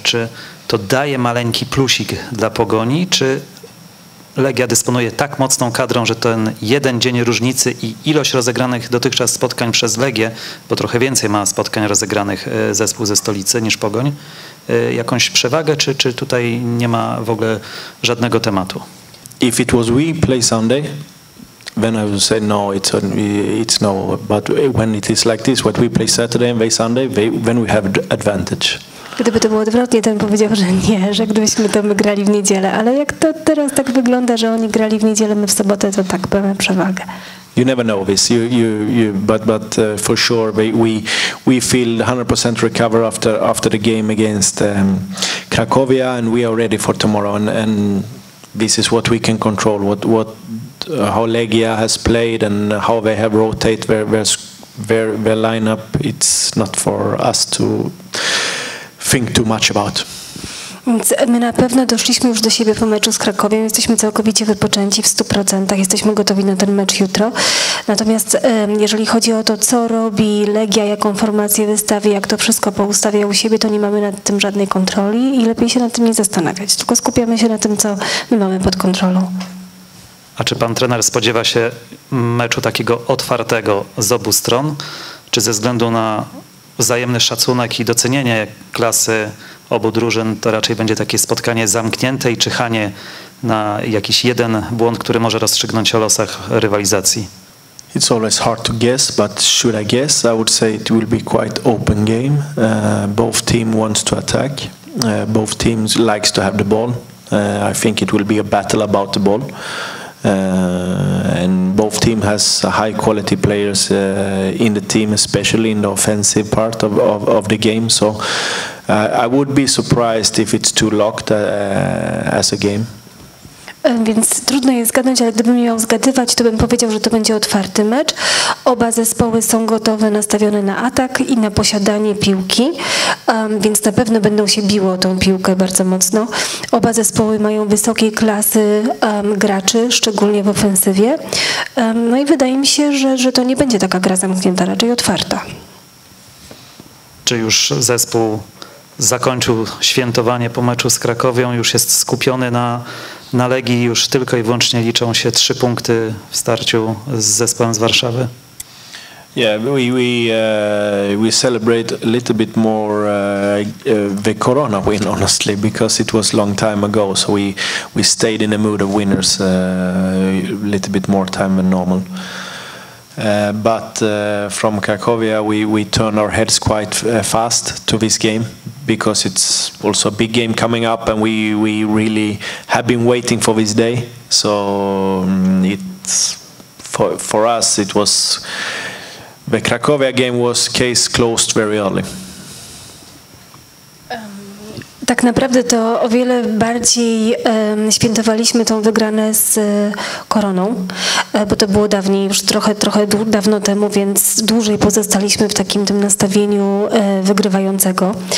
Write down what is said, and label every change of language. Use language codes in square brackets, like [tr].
[pl] Czy to daje maleńki plusik dla Pogoni, czy Legia dysponuje tak mocną kadrą, że ten jeden dzień różnicy i ilość rozegranych dotychczas spotkań przez Legię, bo trochę więcej ma spotkań rozegranych zespół ze stolicy niż Pogoń, jakąś przewagę, czy tutaj nie ma w ogóle żadnego tematu? [en] If it was we play Sunday, then I would say no, it's no. But when it is like this, what we play Saturday and they Sunday, then we have advantage. [pl] Gdyby to było odwrotnie, to bym powiedział, że nie, że gdybyśmy to my grali w niedzielę, ale jak to teraz tak wygląda, że oni grali w niedzielę, my w sobotę, to tak, mamy przewagę. [en] You never know this, but for sure we feel 100% recover after the game against Cracovia and we are ready for tomorrow and this is what we can control, how Legia has played and how they have rotated their lineup. It's not for us to think too much about. [pl] My na pewno doszliśmy już do siebie po meczu z Krakowiem, jesteśmy całkowicie wypoczęci w 100%, jesteśmy gotowi na ten mecz jutro. Natomiast jeżeli chodzi o to, co robi Legia, jaką formację wystawi, jak to wszystko poustawia u siebie, to nie mamy nad tym żadnej kontroli i lepiej się nad tym nie zastanawiać, tylko skupiamy się na tym, co my mamy pod kontrolą. A czy pan trener spodziewa się meczu takiego otwartego z obu stron, czy ze względu na wzajemny szacunek i docenienie klasy obu drużyn, to raczej będzie takie spotkanie zamknięte i czyhanie na jakiś jeden błąd, który może rozstrzygnąć o losach rywalizacji? [en] It's always hard to guess, but should I guess, I would say it will be quite open game. Both team wants to attack, both teams likes to have the ball. I think it will be a battle about the ball. And both team has high quality players in the team, especially in the offensive part of the game. So I would be surprised if it's too locked as a game. [pl] Więc trudno jest zgadnąć, ale gdybym miał zgadywać, to bym powiedział, że to będzie otwarty mecz. Oba zespoły są gotowe, nastawione na atak i na posiadanie piłki, więc na pewno będą się biło tą piłkę bardzo mocno. Oba zespoły mają wysokiej klasy graczy, szczególnie w ofensywie. No i wydaje mi się, że to nie będzie taka gra zamknięta, raczej otwarta. Czy już zespół zakończył świętowanie po meczu z Krakowią, już jest skupiony na Legii, już tylko i wyłącznie liczą się trzy punkty w starciu z zespołem z Warszawy? [en] Yeah, we celebrate a little bit more the Corona win, honestly, because it was long time ago, so we stayed in the mood of winners a little bit more time than normal. But from Cracovia we turn our heads quite fast to this game, because it's also a big game coming up, and we really have been waiting for this day. So it's for us, it was the Cracovia game was case closed very early. [pl] Tak naprawdę to o wiele bardziej świętowaliśmy tą wygraną z Koroną, bo to było dawniej, już trochę dawno temu, więc dłużej pozostaliśmy w takim tym nastawieniu wygrywającego.